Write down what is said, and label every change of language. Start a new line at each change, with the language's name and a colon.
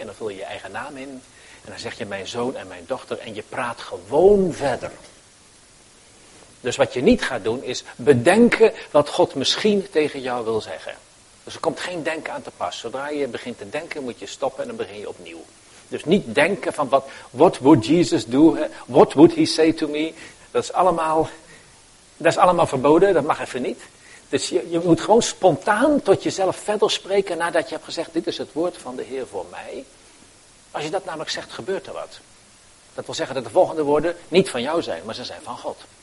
Dutch: En dan vul je je eigen naam in. En dan zeg je mijn zoon en mijn dochter en je praat gewoon verder. Dus wat je niet gaat doen is bedenken wat God misschien tegen jou wil zeggen. Dus er komt geen denken aan te pas. Zodra je begint te denken moet je stoppen en dan begin je opnieuw. Dus niet denken van
English: what would Jesus do, what would he say to me.
Dutch: Dat is allemaal verboden, dat mag even niet. Dus je moet gewoon spontaan tot jezelf verder spreken nadat je hebt gezegd, dit is het woord van de Heer voor mij. Als je dat namelijk zegt, gebeurt er wat. Dat wil zeggen dat de volgende woorden niet van jou zijn, maar ze zijn van God.